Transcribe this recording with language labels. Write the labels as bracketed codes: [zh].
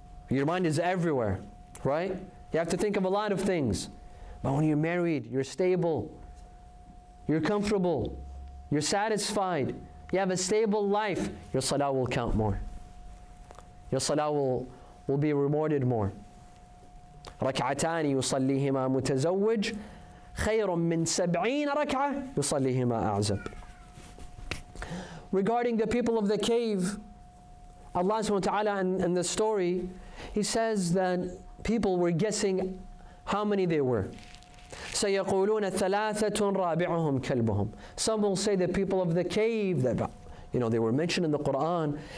[en] Your mind is everywhere, right? You have to think of a lot of things. But when you're married, you're stable, you're comfortable, you're satisfied, you have a stable life, your salah will count more. Your salah will be rewarded more. [ar] ركعتان يصليهما متزوج خير من 70 ركعة يصليهما أعزب. [en] Regarding the people of the cave, Allah subhanahu wa ta'ala in the story, He says that people were guessing how many they were. [ar] سَيَقُولُونَ ثَلَاثَةٌ رَابِعُهُمْ كَلْبُهُمْ. [en] Some will say the people of the cave, that, you know, they were mentioned in the Quran.